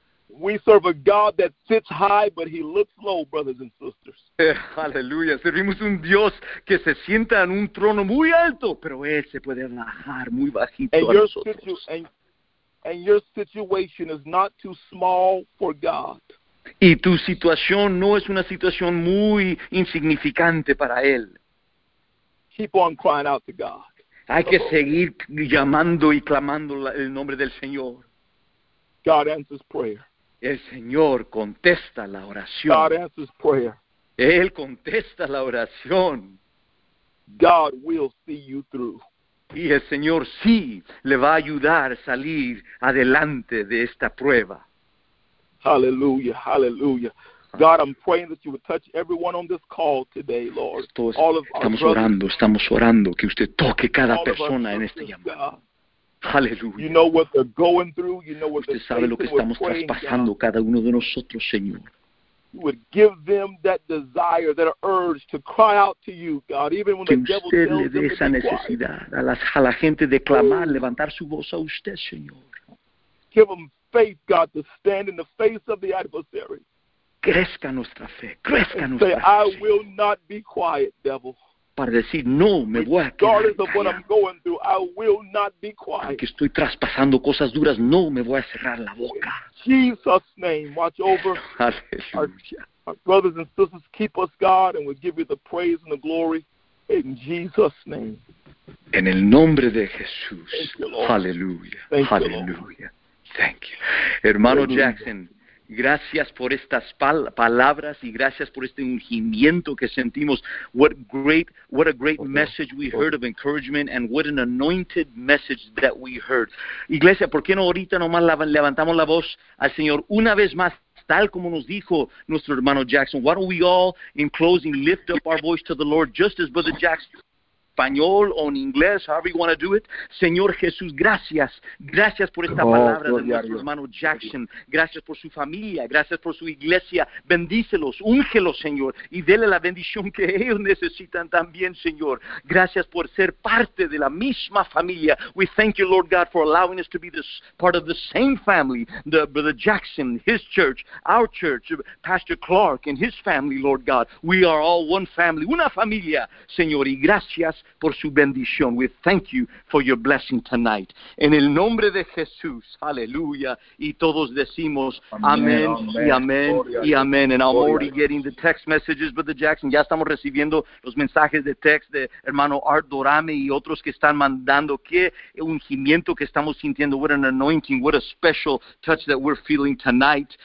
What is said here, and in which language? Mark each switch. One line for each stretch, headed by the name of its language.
English: We serve a God that sits high, but he looks low, brothers and sisters. Hallelujah.
Spanish: Servimos un Dios que se sienta en un trono muy alto, pero él se puede bajar muy bajito a nosotros.
English: And your situation is not too small for God.
Spanish: Y tu situación no es una situación muy insignificante para Él.
English: Keep on crying out to God.
Spanish: Hay que seguir llamando y clamando el nombre del Señor.
English: God answers prayer.
Spanish: El Señor contesta la oración.
English: God answers prayer.
Spanish: Él contesta la oración.
English: God will see you through.
Spanish: Y el Señor sí le va a ayudar a salir adelante de esta prueba.
English: Hallelujah, hallelujah. God, I'm praying that you would touch everyone on this call today, Lord.
Spanish: Estamos orando que usted toque cada persona en esta llamada.
English: Hallelujah. You know what they're going through. You know what
Spanish: usted sabe lo que estamos traspasando cada uno de nosotros, Señor.
English: You would give them that desire, that urge to cry out to you, God, even when
Spanish: que
English: the devil tells them to be quiet.
Spanish: Que usted le dé esa necesidad a la gente de clamar, levantar su voz a usted, Señor.
English: Give them faith, God, to stand in the face of the adversary.
Spanish: Crezca nuestra fe. Crezca nuestra
English: say,
Spanish: fe.
English: I will not be quiet, devil.
Spanish: Para decir, no, me voy a quedar callado.
English: Regardless of what I'm going through, I will not be quiet.
Spanish: Aunque estoy traspasando cosas duras, no me voy a cerrar la boca.
English: In Jesus' name, watch over our brothers and sisters. Keep us, God, and we'll give you the praise and the glory in Jesus' name.
Spanish: En el nombre de Jesús. Aleluya. Aleluya.
English: Thank you.
Spanish: Hermano
English: Hallelujah.
Spanish: Jackson, gracias por estas palabras y gracias por este ungimiento que sentimos.
English: What a great okay. message we heard of encouragement and what an anointed message that we heard.
Spanish: Iglesia, ¿por qué no ahorita nomás levantamos la voz al Señor una vez más, tal como nos dijo nuestro hermano Jackson?
English: Why don't we all, in closing, lift up our voice to the Lord, just as Brother Jackson.
Spanish: Español o en inglés,
English: however you want to do it.
Spanish: Señor Jesús, gracias. Gracias por esta palabra de nuestro hermano Jackson. Gracias por su familia. Gracias por su iglesia. Bendícelos, úngelos, Señor. Y dele la bendición que ellos necesitan también, Señor. Gracias por ser parte de la misma familia.
English: We thank you, Lord God, for allowing us to be this part of the same family. Brother Jackson, his church, our church, Pastor Clark and his family, Lord God. We are all one family.
Spanish: Una familia, Señor. Y gracias por su bendición.
English: We thank you for your blessing tonight.
Spanish: En el nombre de Jesús, aleluya. Y todos decimos amén y amén y amén.
English: And I'm already getting the text messages, Brother Jackson.
Spanish: Ya estamos recibiendo los mensajes de text de hermano Art Dorame y otros que están mandando. Qué ungimiento que estamos sintiendo.
English: What an anointing. What a special touch that we're feeling tonight.